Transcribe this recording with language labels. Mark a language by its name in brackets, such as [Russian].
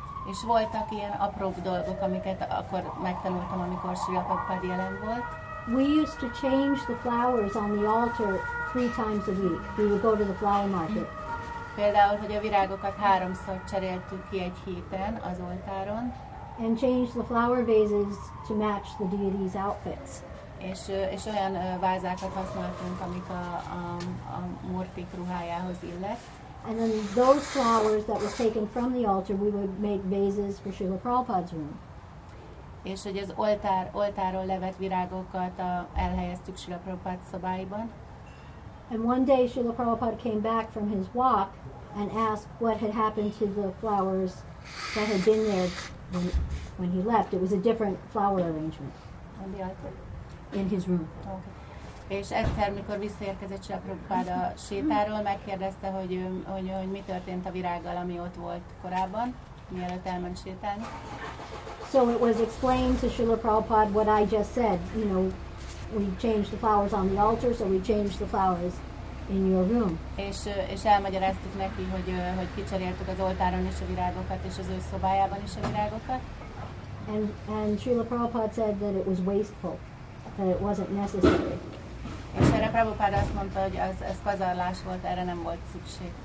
[Hungarian] És voltak ilyen apróbb dolgok, amiket akkor megtanultam, amikor Srila Prabhupada jelen volt. [English] We used to change the flowers on the altar 3 times a week. We would go to the flower market. [Hungarian] Például, hogy a virágokat háromszor cseréltük ki egy héten az oltáron. [English] And change the flower vases to match the deity's outfits. [Hungarian] És olyan vázákat használtunk, amik a murtik ruhájához illet. [English] And then those flowers that were taken from the altar, we would make vases for Srila Prabhupada's room. [Hungarian] És hogy az oltáról levett virágokat elhelyeztük Srila Prabhupada szobáiban. [English] And one day Srila Prabhupada came back from his walk and asked what had happened to the flowers that had been there when he left. It was a different flower arrangement. On the altar? In his room. Okay. [Hungarian] És egyszer, mikor visszaérkezett Srila Prabhupada a sétáról, megkérdezte, hogy mi történt a virággal, ami ott volt korábban, mielőtt elment sétálni. [English] So it was explained to Srila Prabhupada what I just said. You know, we changed the flowers on the altar, so we changed the flowers in your room. [Hungarian] És elmagyaráztuk neki, hogy kicseréltük az oltáron is a virágokat, és az ő szobájában is a virágokat. [English] And Srila Prabhupada said that it was wasteful, that it wasn't necessary. [Hungarian] És erre Prabhupada azt mondta, hogy ez pazarlás volt, erre nem volt szükség.